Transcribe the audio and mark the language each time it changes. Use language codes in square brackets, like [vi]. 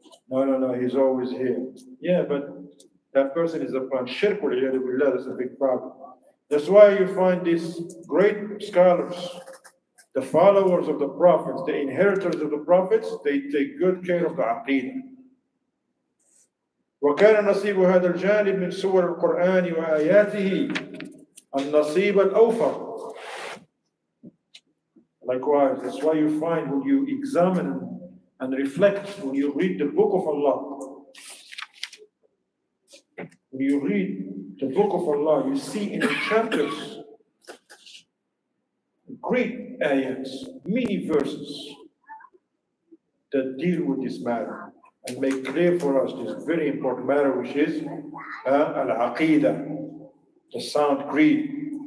[en] No, no, no, he's always here. Yeah, but that person is upon shirk, that's a big problem. That's why you find these great scholars, the followers of the prophets, the inheritors of the prophets, they take good care of the aqeedah. [ar] وكان نصيب هذا الجانب من سور القرآن وآياته النصيب الأوفر. [en] Likewise, that's why you find when you examine and reflect, when you read the book of Allah, when you read the book of Allah, you see in the chapters great ayats, many verses that deal with this matter and make clear for us this very important matter, which is al-aqeedah, the sound creed.